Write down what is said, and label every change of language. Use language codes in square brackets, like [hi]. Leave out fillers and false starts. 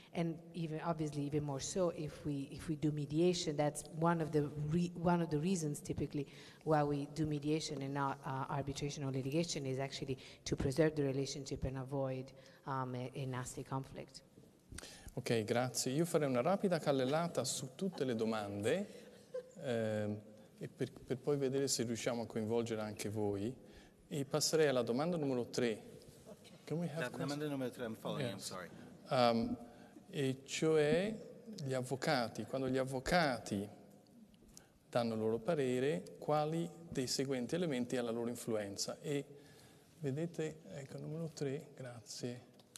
[en] And even obviously even more so if we do mediation, that's one of the reasons typically why we do mediation and not arbitration or litigation is actually to preserve the relationship and avoid a nasty conflict. [it] Ok, grazie. Io farei una rapida carrellata su tutte le domande e per poi vedere se riusciamo a coinvolgere anche voi. E passerei alla domanda numero 3. [en] Can we have [it] domanda numero 3, [en] I'm following, yes. I'm sorry. [it] E cioè gli avvocati, quando gli avvocati danno il loro parere, quali dei seguenti elementi ha la loro influenza? E vedete, ecco, numero 3, grazie.